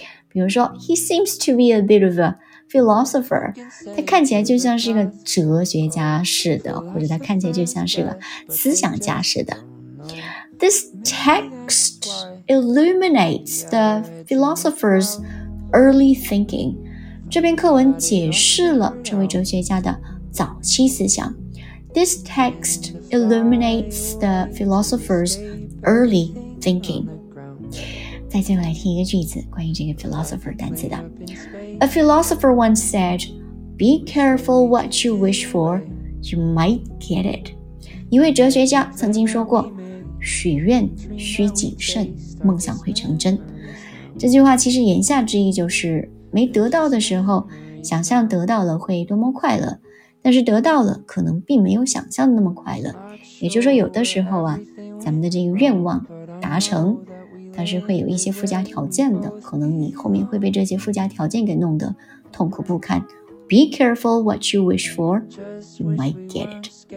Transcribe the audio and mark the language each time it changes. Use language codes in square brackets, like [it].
[zh] 比如说 [en] he seems to be a bit of a philosopher [zh] 他看起来就像是一个哲学家似的或者他看起来就像是个思想家似的 [en] this textIlluminates the philosopher's early thinking. [zh] 这篇课文解释了这位哲学家的早期思想。 [en] This text illuminates the philosopher's early thinking. [zh] 再接下来听一个句子关于这个 philosopher 单词的。 [en] A philosopher once said, Be careful what you wish for, you might get it. [zh] 一位哲学家曾经说过许愿需谨慎梦想会成真这句话其实言下之意就是没得到的时候想象得到了会多么快乐但是得到了可能并没有想象的那么快乐也就是说有的时候啊咱们的这个愿望达成它是会有一些附加条件的可能你后面会被这些附加条件给弄得痛苦不堪 [en] Be careful what you wish for You might get it